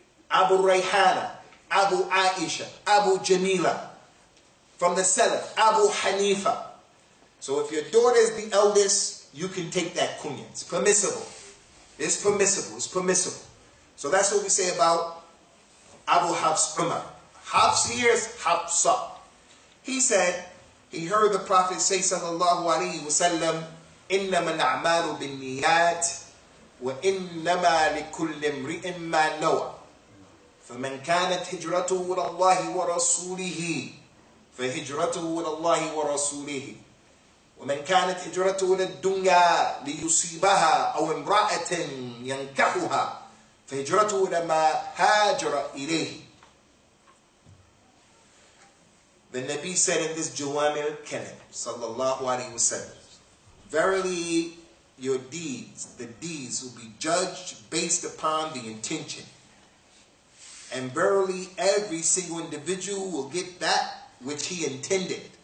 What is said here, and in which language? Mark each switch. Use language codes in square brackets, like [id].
[en] Abu Rayhana, Abu Aisha, Abu Jamila. From the Salaf, Abu Hanifa. So if your daughter is the eldest, you can take that kunya. It's permissible. It's permissible. It's permissible. So that's what we say about Abu Hafs Umar. Hafs here is Hafsa. [ar] He said, he heard the Prophet say, sallallahu alayhi wa sallam, إِنَّمَا الْأَعْمَالُ بِالنِّيَّاتِ وَإِنَّمَا لِكُلِّ امْرِئٍ مَا نَوَى فَمَنْ كَانَتْ هِجْرَتُهُ إِلَى اللَّهِ وَرَسُولِهِ فَهِجْرَتُهُ إِلَى اللَّهِ وَرَسُولِهِ وَمَنْ كَانَتْ هِجْرَتُهُ إِلَى الدُّنْيَا لِيُصِيبَهَا أَوْ امْرَأَةٍ يَنْكَحُهَا فَهِجْرَتُهُ إِلَى مَا هَاجَرَ إِلَيْهِ. [en] The Nabi said in this Jawamir Kalim, sallallahu alayhi wasallam, verily, your deeds, the deeds, will be judged based upon the intention. And verily, every single individual will get that which he intended.